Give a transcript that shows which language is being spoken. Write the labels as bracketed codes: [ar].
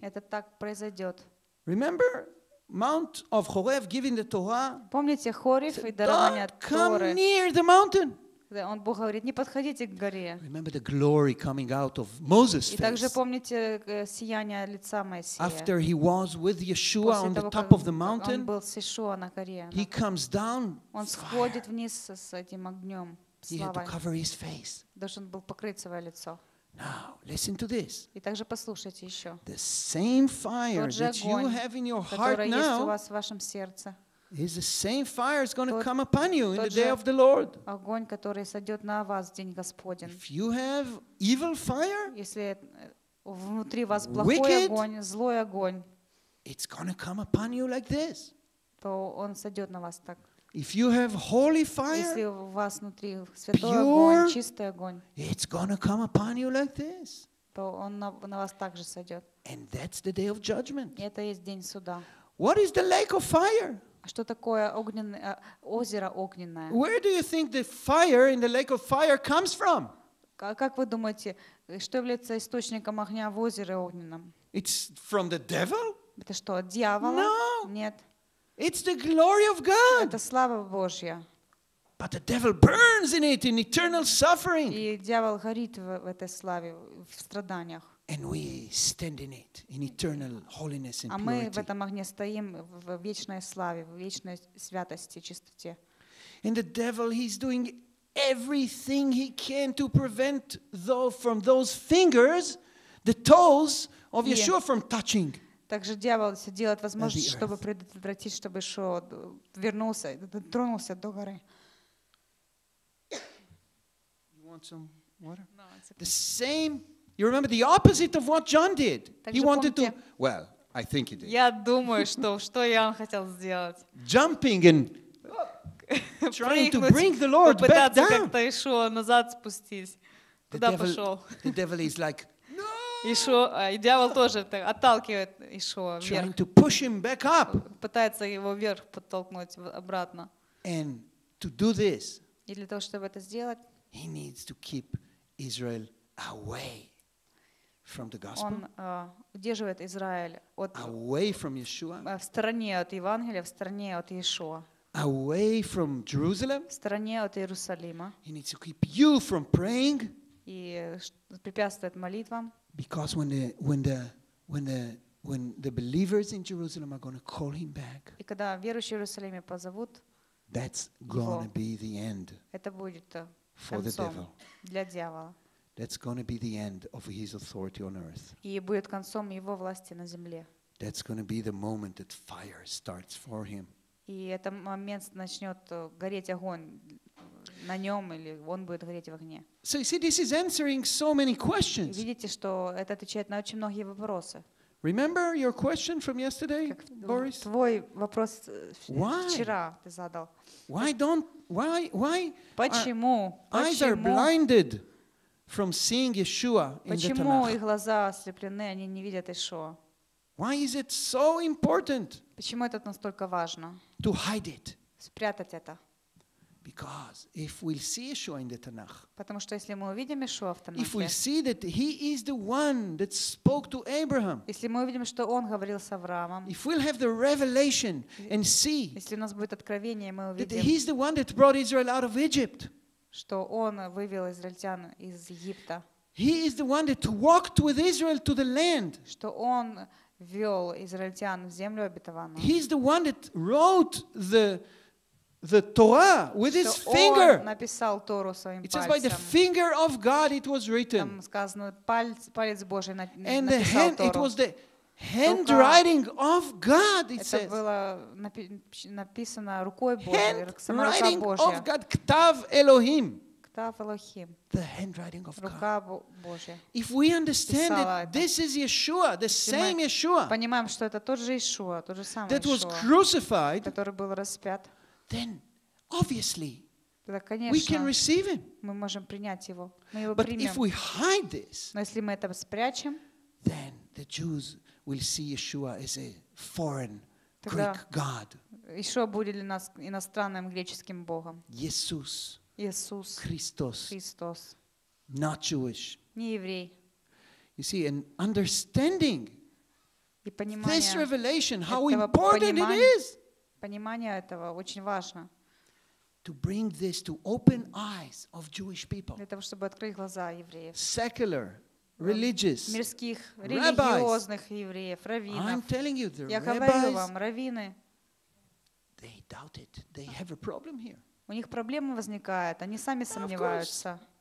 [ru] Это так произойдет. [en] Remember Mount of Horeb giving the Torah? [ru] Помните Хорев и дарование Торы? [en] Don't come near the mountain. [ru] Он Бог говорит, не подходите к горе. [en] Remember the glory coming out of Moses' face. [ru] И также помните сияние лица Моисея. [en] After he was with Yeshua on the top of the mountain, [ru] он был с Иешуа на горе. [en] He comes down. [ru] Он сходит вниз с этим огнем. [en] He had to cover his face. [ru] Должен был покрыть свое лицо. [en] Now listen to this. [ru] И также послушайте еще. [en] The same fire that you have in your heart now. [ru] Есть у вас в вашем сердце. [en] Is the same fire is going to come upon you in the day of the Lord? [ru] Огонь, который сойдет на вас в день Господень. [en] If you have evil fire, [ru] если внутри вас плохой огонь, злой огонь, [en] it's going to come upon you like this. [ru] То он сойдет на вас так. [en] If you have holy fire, [ru] если у вас внутри святой огонь, чистый огонь, [en] it's going to come upon you like this. [ru] То он на вас также сойдет. [en] And that's the day of judgment. [ru] Это есть день суда. [en] What is the lake of fire? [ru] Что такое огненное озеро огненное? [en] Where do you think the fire in the lake of fire comes from? [ru] Как вы думаете, что является источником огня в озере огненном? [en] It's from the devil? [ru] Это что, от дьявола? [en] No. [ru] Нет. [en] It's the glory of God. [ru] Это слава Божья. [en] But the devil burns in it in eternal suffering. [ru] И дьявол горит в этой славе, в страданиях. [en] And we stand in it in eternal holiness and purity. [ru] А мы в этом огне стоим в вечной славе, в вечной святости, чистоте. [en] And the devil, he's doing everything he can to prevent though from those fingers, the toes of Yeshua from touching. [ru] Также дьявол все делает возможность, чтобы предотвратить, чтобы Ишуа вернулся, дотронулся до горы. [en] You want some water? No, it's okay. The same. You remember the opposite of what John did. He wanted to. Well, I think he did. [ru] Я думаю, что Иоанн хотел сделать. [en] Jumping and trying to bring the Lord back down. [ru] Попытаться как-то Ишуа назад спустить. Куда пошел? [en] The devil is like. [ru] Ишуа, и дьявол тоже отталкивает Ишуа вверх. [en] Trying to push him back up. [ru] Пытается его вверх подтолкнуть обратно. [en] And to do this. [ru] И для того, чтобы это сделать. [en] He needs to keep Israel away. From the gospel. [ru] Он удерживает Израиль от [en] away from Yeshua. [ru] В стороне от Евангелия, в стороне от Иешуа. [en] Away from Jerusalem. [ru] В стороне от Иерусалима. [en] He needs to keep you from praying. [ru] И препятствует молитвам. [en] Because when the believers in Jerusalem are going to call him back. [ru] И когда верующие в Иерусалиме позовут. [en] That's going to be the end. [ru] Это будет [en] for the devil. [ru] Для дьявола. [en] That's going to be the end of his authority on earth. [ru] И будет концом его власти на земле. [en] That's going to be the moment that fire starts for him. [ru] И это момент начнет гореть огонь на нем или он будет гореть в огне. [en] So you see, this is answering so many questions. [ru] Видите, что это отвечает на очень многие вопросы. [en] Remember your question from yesterday, Boris? [ru] Твой вопрос вчера ты задал. [en] Why? [ru] Почему? [en] Eyes are blinded. From seeing Yeshua in the Tanakh. [ru] Почему их глаза ослеплены, они не видят Ишуа? [en] Why is it so important? [ru] Почему это настолько важно? [en] To hide it. [ru] Спрятать это. [en] Because if we see Yeshua in the Tanakh. [ru] Потому что если мы увидим Ишуа в Танахе. [en] If we see that he is the one that spoke to Abraham. [ru] Если мы увидим, что он говорил с Авраамом. [en] If we'll have the revelation and see. [ru] Если у нас будет откровение, мы увидим. [en] That he is the one that brought Israel out of Egypt. [ru] Что он вывел израильтян из Египта. [en] He is the one that walked with Israel to the land. [ru] Что он вел израильтян в землю обетованную. [en] He is the one that wrote the Torah with [ru] что [en] his finger. [ru] Он написал Тору своим [en] it [ru] пальцем. [en] It says by the finger of God it was written. [ru] Там сказано палец Божий [en] and [ru] написал [en] hand, [ru] Тору. [en] And it was the handwriting of God, it says. [ru] Это было написано рукой Божьей, [en] handwriting of God, Ктав Элохим. [he] Ктав Элохим. [en] The handwriting of [ru] рука [en] God. [ru] Божья. [en] If we understand that this is Yeshua, the same Yeshua. [ru] Понимаем, что это тот же Иешуа, тот же самый [en] that was crucified. [ru] Который был распят. [en] Then, obviously, [ru] да, конечно, [en] we can receive him. [ru] Мы можем принять его. Мы его [en] but [ru] примем. [en] If we hide this, [ru] но если мы это спрячем, [en] then the Jews will see Yeshua as a foreign Greek God. [ru] Ишо будет для нас иностранным греческим богом. Иисус. Иисус. Христос. Христос. [en] Not Jewish. [ru] Не еврей. [en] You see, and understanding [ru] и понимание [en] this revelation, how important it is. [ru] Понимание этого очень важно. [en] To bring this to open eyes of Jewish people. [ru] Для того, чтобы открыть глаза евреев. [en] Secular, religious, [ru] мирских, религиозных евреев, раввинов. [en] I'm telling you, the [ru] Я говорю вам, раввины. [en] They doubt it. They have a problem here. [ru] У них проблемы возникают. Они сами сомневаются.